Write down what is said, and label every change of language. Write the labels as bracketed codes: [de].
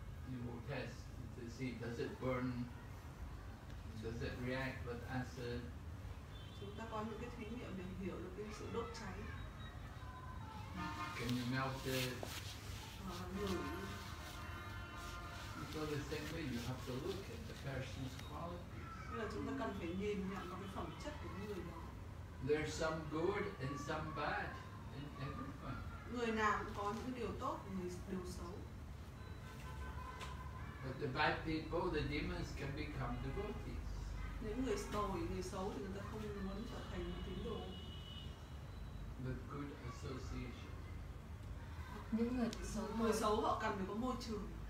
[en] You will test to see, does it burn? Does it react with acid? [vi] Chúng ta có những cái thí nghiệm để hiểu được cái sự đốt cháy. [en] Can you melt it? [vi] Được. [en] So the same way, you have to look at the person's qualities. [vi] Là chúng ta cần phải nhìn nhận vào cái phẩm chất của người đó. [en] There's some good and some bad in everyone. [vi] Người nào cũng có những điều tốt và những điều xấu. [en] But the bad people, the demons can become devotees. [vi] Những người tồi, người xấu thì người ta không muốn trở thành một tín đồ. [en] With good association. [vi] Những người xấu, người xấu họ cần phải có môi trường